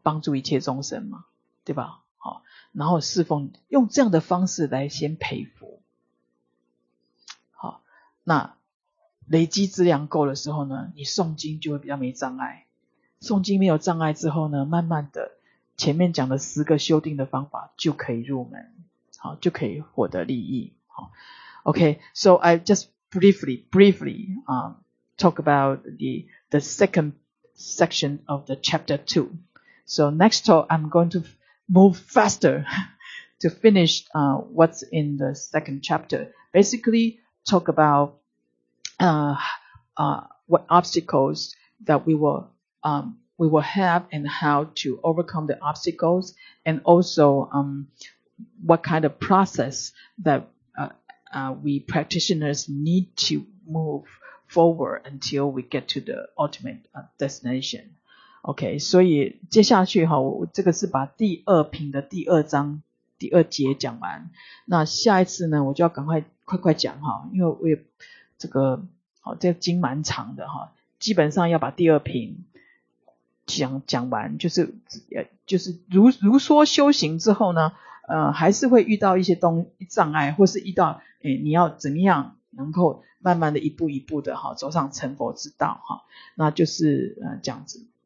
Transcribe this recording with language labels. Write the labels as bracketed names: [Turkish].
[Chinese] 帮助一切众生嘛，对吧？好，然后侍奉，用这样的方式来先培福，好，那累积资粮够的时候呢，你诵经就会比较没障碍。诵经没有障碍之后呢，慢慢的，前面讲的十个修定的方法就可以入门，好，就可以获得利益，好。 [English] Okay, so I just briefly talk about the second section of the chapter 2. So next talk, I'm going to move faster to finish what's in the second chapter. Basically, talk about what obstacles that we will have and how to overcome the obstacles, and also what kind of process thatwe practitioners need to move forward until we get to the ultimate destination. [Chinese] Okay, 所以接下去这个是把第二品的第二章第二节讲完，那下一次呢我就要赶快快快讲，因为我也这个这个经蛮长的，基本上要把第二品讲完，就是如说修行之后呢，还是会遇到一些障碍，或是遇到你要怎么样能够慢慢的一步一步的走上成佛之道，那就是这样子。